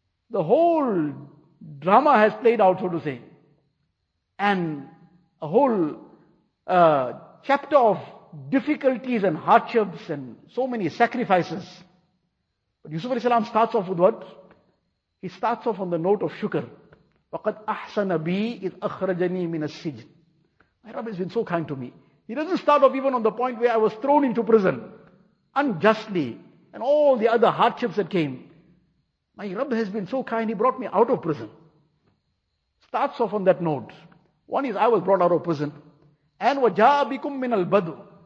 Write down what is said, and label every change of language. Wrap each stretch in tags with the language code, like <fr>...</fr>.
<en>The whole drama has played out, so to say. And a whole chapter of difficulties and hardships and so many sacrifices. But Yusuf alayhi salam starts off with what? He starts off on the note of shukr.</en> <ar>وَقَدْ أَحْسَنَ بِي إِذْ أَخْرَجَنِي مِنَ السِّجْنِ.</ar> <en>My Rabb has been so kind to me. He doesn't start off even on the point where I was thrown into prison unjustly and all the other hardships that came. My Rabb has been so kind, he brought me out of prison. Starts off on that note. One is I was brought out of prison. And</en> <ar>وَجَاءَ بِكُم مِّنَ الْبَدْوِ.</ar>